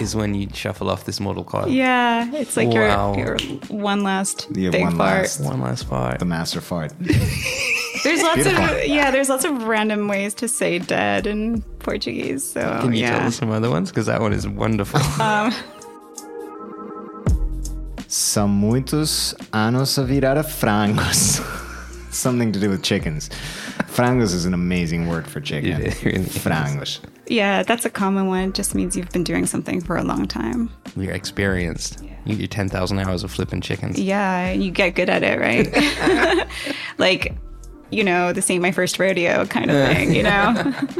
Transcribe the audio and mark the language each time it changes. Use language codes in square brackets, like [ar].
[en] Is when you shuffle off this mortal coil. Yeah. It's like your one last big one fart. One last fart. The master fart. There's lots of there's lots of random ways to say dead in Portuguese. So can you tell us some other ones? Because that one is wonderful. [pt] São muitos anos a virar a frangos. [en] Something to do with chickens. Frangos is an amazing word for chicken. It really frangos. Yeah, that's a common one. It just means you've been doing something for a long time. You're experienced. Yeah. You get your 10,000 hours of flipping chickens. Yeah, you get good at it, right? Like, you know, this ain't my first rodeo kind of thing, you know?